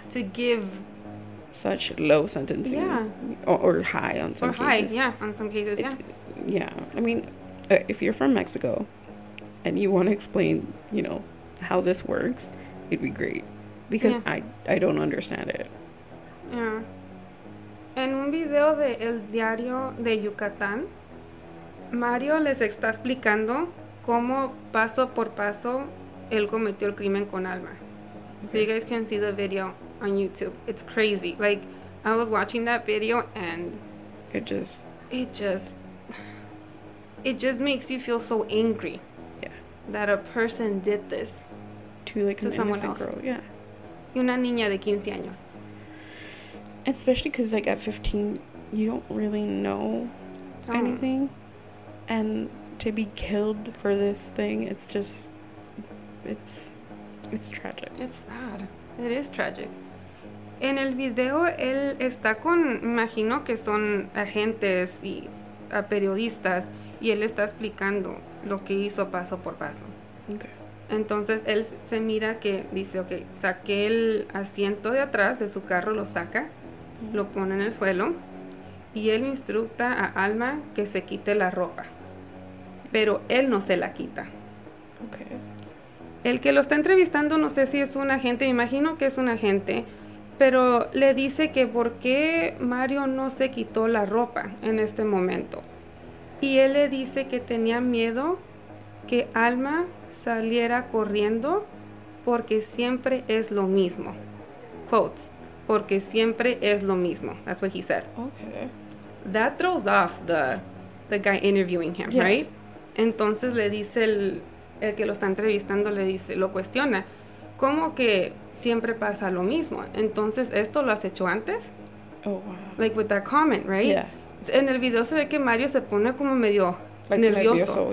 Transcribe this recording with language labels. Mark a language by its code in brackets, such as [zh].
[en] To give... such low sentencing. Yeah. Or high on some cases. Yeah, on some cases, I mean, if you're from Mexico and you want to explain, you know, how this works, it'd be great. Because I don't understand it. Yeah. [es] En un video de El Diario de Yucatán, Mario les está explicando cómo paso por paso él cometió el crimen con Alma. [en] Okay. So you guys can see the video on YouTube. It's crazy. Like, I was watching that video and It just makes you feel so angry. Yeah. That a person did this to, like, to an someone innocent else. Girl. Yeah. [es] Y una niña de 15 años. [en] Especially because, like, at 15, you don't really know anything. And to be killed for this thing, it's just, it's tragic. It's sad. It is tragic. [es] En el video, él está con, imagino que son agentes y periodistas, y él está explicando lo que hizo paso por paso. [en] Okay. [es] Entonces, él se mira que dice, okay, saqué el asiento de atrás de su carro, lo saca, lo pone en el suelo, y él instructa a Alma que se quite la ropa. Pero él no se la quita. [en] Okay. [es] El que lo está entrevistando, no sé si es un agente, me imagino que es un agente, pero le dice que por qué Mario no se quitó la ropa en este momento. Y él le dice que tenía miedo que Alma saliera corriendo porque siempre es lo mismo. [en] Quotes. [es] Porque siempre es lo mismo. [en] That's what he said. Okay. That throws off the guy interviewing him, yeah, right? [es] Entonces le dice el que lo está entrevistando, le dice, lo cuestiona. ¿Cómo que siempre pasa lo mismo? Entonces, ¿esto lo has hecho antes? [en] Oh, wow. Like, with that comment, right? Yeah. [es] En el video se ve que Mario se pone como medio, like, nervioso.